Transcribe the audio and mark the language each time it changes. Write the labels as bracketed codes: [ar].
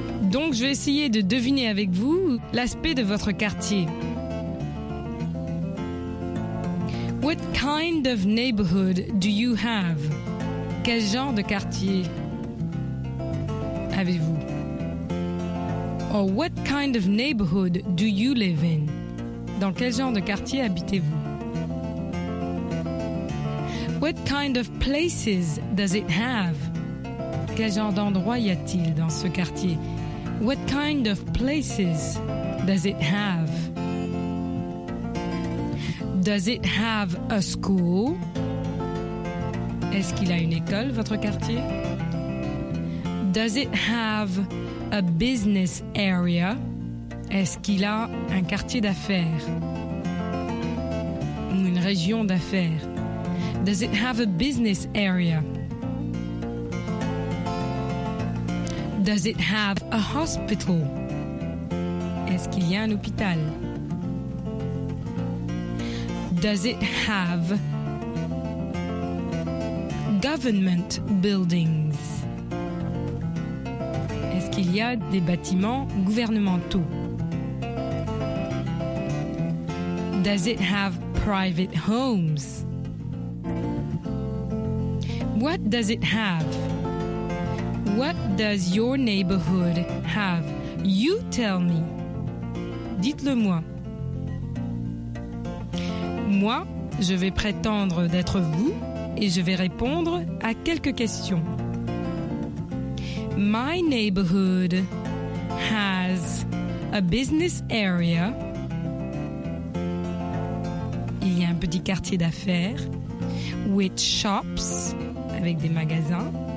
[fr] Donc, je vais essayer de deviner avec vous l'aspect de votre quartier. [en] What kind of neighborhood do you have? [fr] Quel genre de quartier avez-vous? [en] Or what kind of neighborhood do you live in? [fr] Dans quel genre de quartier habitez-vous? [en] What kind of places does it have? [fr] Quel genre d'endroit y a-t-il dans ce quartier? [en] What kind of places does it have? Does it have a school? [fr] Est-ce qu'il a une école, votre quartier? [en] Does it have a business area? [fr] Est-ce qu'il a un quartier d'affaires? Ou une région d'affaires? [en] Does it have a business area? Does it have a hospital? [fr] Est-ce qu'il y a un hôpital? [en] Does it have government buildings? [fr] Est-ce qu'il y a des bâtiments gouvernementaux? [en] Does it have private homes? What does it have? What does your neighborhood have? You tell me. [fr] Dites-le-moi. Moi, je vais prétendre d'être vous et je vais répondre à quelques questions. [en] My neighborhood has a business area. [fr] Il y a un petit quartier d'affaires. [en] With shops, [fr] avec des magasins.